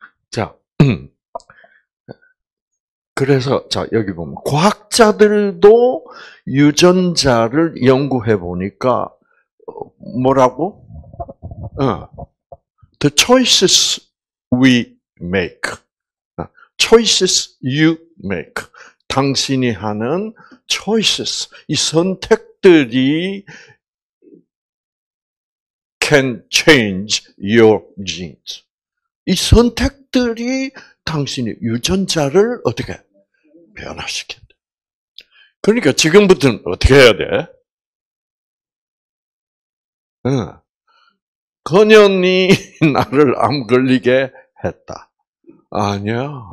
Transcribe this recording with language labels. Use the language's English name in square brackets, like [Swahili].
[Korean] 자, 그래서 자 여기 보면 과학자들도 유전자를 연구해 보니까 뭐라고? [English] The choices we make, choices you make. [Korean] 당신이 하는 [English] choices, [Korean] 이 선택들이 [English] can change your genes. [Korean] 이 선택들이 당신의 유전자를 어떻게 변화시킨다. 그러니까 지금부터는 어떻게 해야 돼? 권현이 나를 암 걸리게 했다. 아니야.